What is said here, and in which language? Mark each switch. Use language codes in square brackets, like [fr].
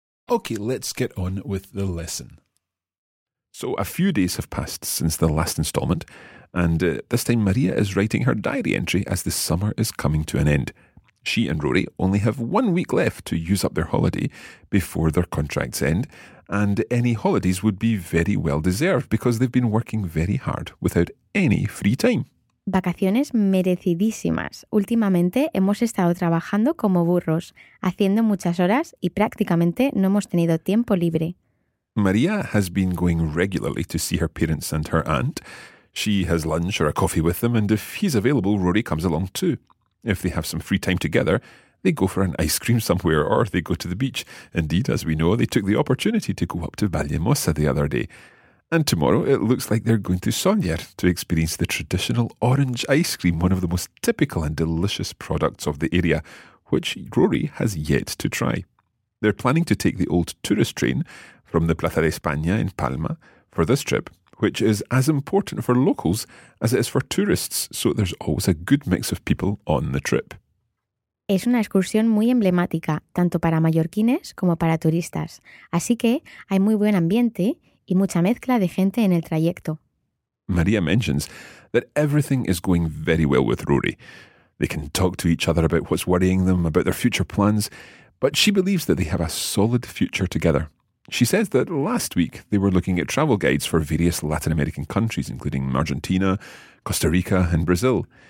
[en] Okay, let's get on with the lesson. So a few days have passed since the last installment, and this time Maria is writing her diary entry as the summer is coming to an end. She and Rory only have 1 week left to use up their holiday before their contracts end, and any holidays would be very well deserved because they've been working very hard without any free time. [es] Vacaciones merecidísimas. Últimamente hemos estado trabajando como burros, haciendo muchas horas y prácticamente no hemos tenido tiempo libre. [en] Maria has been going regularly to see her parents and her aunt. She has lunch or a coffee with them, and if he's available, Rory comes along too. If they have some free time together, they go for an ice cream somewhere or they go to the beach. Indeed, as we know, they took the opportunity to go up to Vallehermosa the other day. And tomorrow it looks like they're going to Sonier to experience the traditional orange ice cream, one of the most typical and delicious products of the area, which Rory has yet to try. They're planning to take the old tourist train from the Plaza de España in Palma for this trip, which is as important for locals as it is for tourists, so there's always a good mix of people on the trip. [es] Es una excursión muy emblemática, tanto para mallorquines como para turistas, así que hay muy buen ambiente y mucha mezcla de gente en el trayecto. [en] Maria mentions that everything is going very well with Rory. They can talk to each other about what's worrying them, about their future plans, but she believes that they have a solid future together. She says that last week they were looking at travel guides for various Latin American countries, including Argentina, Costa Rica and Brazil.